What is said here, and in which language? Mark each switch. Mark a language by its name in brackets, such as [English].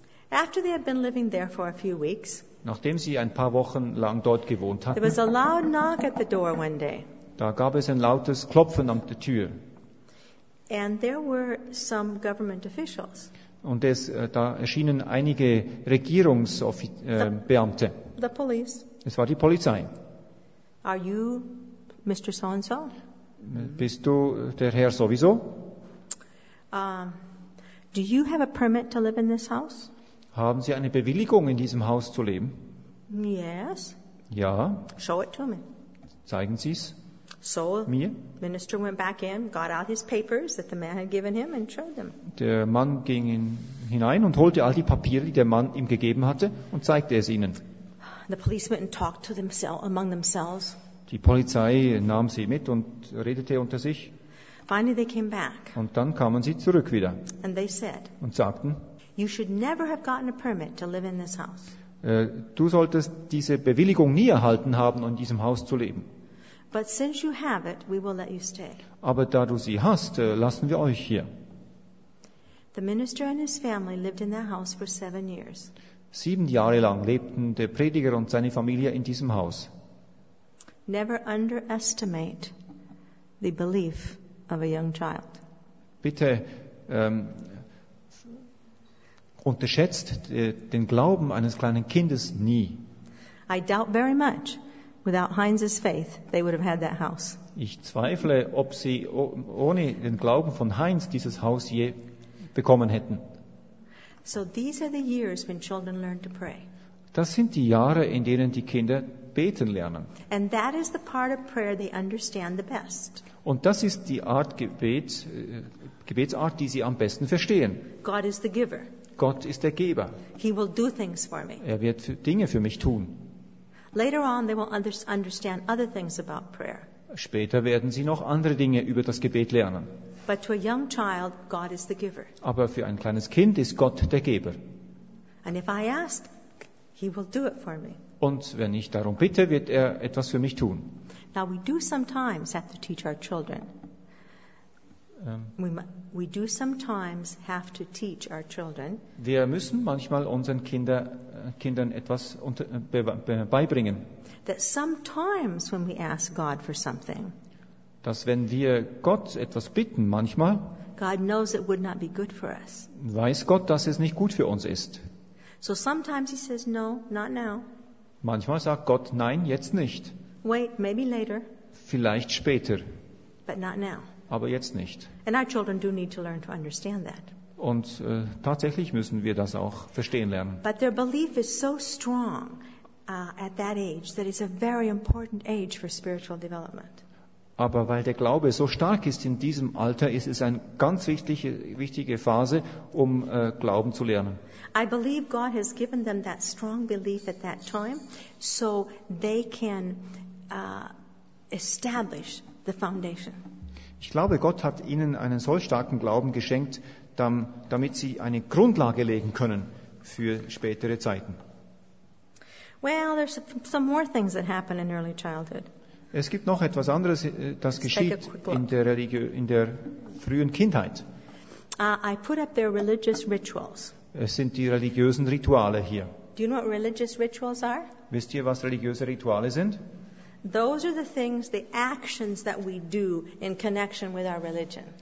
[English] After they had been living there for a few weeks, [German] nachdem sie ein paar Wochen lang dort gewohnt hatten, [English] there was a loud knock at the door one day. [German] Da gab es ein lautes Klopfen an der Tür. [English] And there were some government officials. [German] Und da erschienen einige Regierungsbeamte. [English] The police. [German] Es war die Polizei. [English] Are you Mr. So-and-so? [German] Bist du der Herr sowieso? [English] Do you have a permit to live in this house? [German] Haben Sie eine Bewilligung, in diesem Haus zu leben? [English] Yes. [German] Ja. [English] Show it to me. [German] Zeigen Sie es so mir. [English] Minister went back in, got out his papers that the man had given him and showed them. [German] Der Mann ging hinein und holte all die Papiere, die der Mann ihm gegeben hatte, und zeigte es ihnen. [English] The police went and talked to themselves among themselves. [German] Die Polizei nahm sie mit und redete unter sich. [English] Finally they came back. [German] Und dann kamen sie zurück wieder. [English] And they said, [German] und sagten, [English] you should never have gotten a permit to live in this house. [German] Du solltest diese Bewilligung nie erhalten haben, in diesem Haus zu leben. [English] But since you have it, we will let you stay. [German] Aber da du sie hast, lassen wir euch hier. [English] The minister and his family lived in that house for 7 years. [German] 7 Jahre lang lebten der Prediger und seine Familie in diesem Haus. [English] Never underestimate the belief of a young child. [German] Bitte unterschätzt den Glauben eines kleinen Kindes nie. [English] I doubt very much without Heinz's faith they would have had that house. [German] Ich zweifle, ob sie ohne den Glauben von Heinz dieses Haus je bekommen hätten. [English] So these are the years when children learn to pray. [German] Das sind die Jahre, in denen die Kinder beten lernen. [English] And that is the part of prayer they understand the best. [German] Und das ist die Art Gebetsart, die sie am besten verstehen. [English] God is the giver. [German] Gott ist der Geber. [English] He will do things for me. [German] Er wird Dinge für mich tun. [English] Later on they will understand other things about prayer. [German] Später werden sie noch andere Dinge über das Gebet lernen. [English] But to a young child, God is the giver. [German] Aber für ein kleines Kind ist Gott der Geber. [English] And if I ask, he will do it for me. [German] Und wenn ich darum bitte, wird er etwas für mich tun. [English] Now we do sometimes have to teach our children. We do sometimes have to teach our children. [German] Wir müssen manchmal unseren Kindern etwas beibringen. [English] That sometimes when we ask God for something, [German] dass wenn wir Gott etwas bitten, manchmal, [English] God knows it would not be good for us. [German] Weiß Gott, dass es nicht gut für uns ist. [English] So sometimes he says no, not now. [German] Manchmal sagt Gott nein, jetzt nicht. [English] Wait, maybe later. [German] Vielleicht später. [English] But not now. [German] Aber jetzt nicht. [English] And our children do need to learn to understand that. [German] Und tatsächlich müssen wir das auch verstehen lernen. [English] But their belief is so strong at that age that it's a very important age for spiritual development. [German] Aber weil der Glaube so stark ist in diesem Alter, ist es eine ganz wichtige Phase, um Glauben zu lernen. [English] I believe God has given them that strong belief at that time, so they can establish the foundation. [German] Ich glaube, Gott hat ihnen einen solch starken Glauben geschenkt, damit sie eine Grundlage legen können für spätere Zeiten. [English] Well, there's some more things that happen in early childhood. [German] Es gibt noch etwas anderes, das geschieht in der frühen Kindheit. [English] I put up their religious rituals. [German] Es sind die religiösen Rituale hier. [English] Do you know what religious rituals are? [German] Wisst ihr, was religiöse Rituale sind? [English] Those are the things, the actions that we do in connection with our religion.